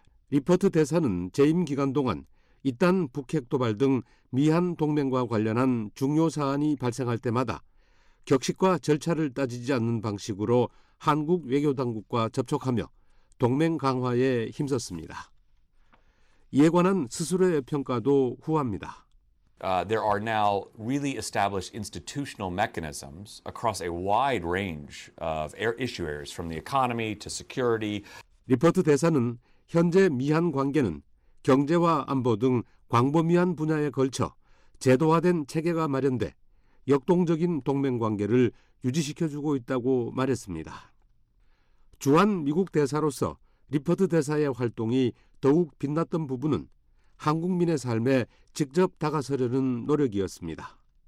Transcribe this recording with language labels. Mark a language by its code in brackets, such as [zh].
[ko] 리포트 대사는 재임 기간 동안 이딴 북핵 도발 등 미한 동맹과 관련한 중요 사안이 발생할 때마다 격식과 절차를 따지지 않는 방식으로 한국 외교당국과 접촉하며 동맹 강화에 힘썼습니다. 이에 관한 스스로의 평가도 후합니다. [en] There are now really established institutional mechanisms across a wide range of issue areas from the economy to security. [ko] 리포트 대사는 현재 미한 관계는 경제와 안보 등 광범위한 분야에 걸쳐 제도화된 체계가 마련돼 역동적인 동맹 관계를 유지시켜주고 있다고 말했습니다. 주한 미국 대사로서 리포트 대사의 활동이 더욱 빛났던 부분은 한국민의 삶에 직접 다가서려는 노력이었습니다.